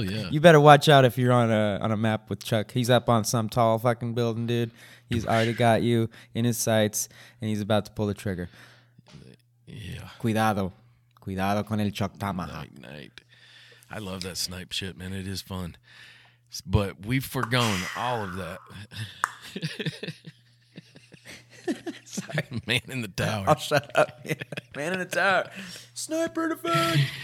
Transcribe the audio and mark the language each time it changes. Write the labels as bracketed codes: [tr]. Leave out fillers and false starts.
[en] You better watch out if you're on a map with Chuck. He's up on some tall fucking building, dude. He's already got you in his sights, and he's about to pull the trigger. Yeah. [es] Cuidado con el Chuck Tamaha. [en] Night. I love that snipe shit, man. It is fun. But we've foregone all of that. Sorry. Man in the tower. I'll shut up. Man in the tower. Sniper to fuck.